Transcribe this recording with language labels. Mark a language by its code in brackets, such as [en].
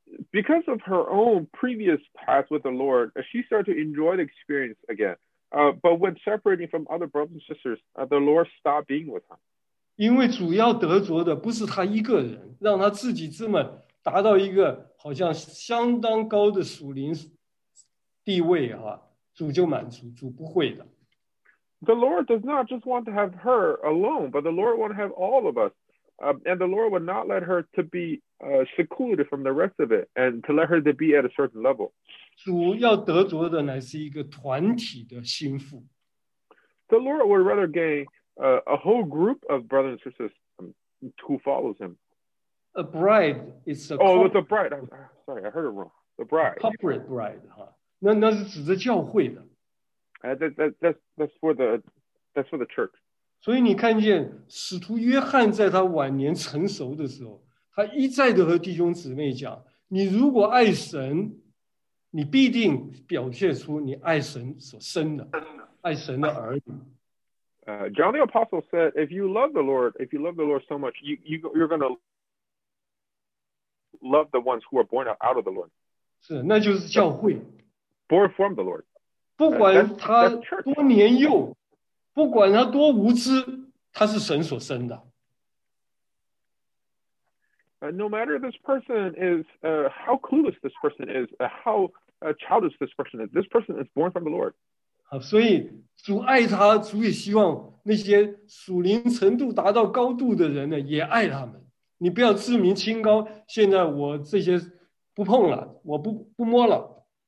[en] Because of her own previous past with the Lord, she started to enjoy the experience again. But when separating from other brothers and sisters, the Lord stopped being with her. [zh] 因为主要得着的不是他一个人，让他自己这么达到一个好像相当高的属灵地位啊。主就满足，主不会的。 [en] The Lord does not just want to have her alone, but the Lord want to have all of us. And the Lord would not let her to be secluded from the rest of it and to let her to be at a certain level. [zh] 主要得着的乃是一个团体的心腹。 [en] The Lord would rather gain a whole group of brothers and sisters who follows him. A bride is a couple. Oh, it's a bride. Sorry, I heard it wrong. The bride. Corporate bride. [zh] 那是指着教会的。 [en] That's for the church. [zh] 所以你看见使徒约翰在他晚年成熟的时候，他一再的和弟兄姊妹讲：“你如果爱神，你必定表现出你爱神所生的，爱神的儿女。” [en] John the Apostle said, "If you love the Lord, if you love the Lord so much, you're going to love the ones who are born out of the Lord." [zh] 是，那就是教会。 [en] Born from the Lord. [zh] 不管他多年幼，不管他多无知，他是神所生的。 [en] No matter this person is how clueless this person is, how childish this person is born from the Lord. [zh] 好，所以主爱他，主也希望那些属灵程度达到高度的人呢，也爱他们。你不要自鸣清高，现在我这些不碰了，我不摸了。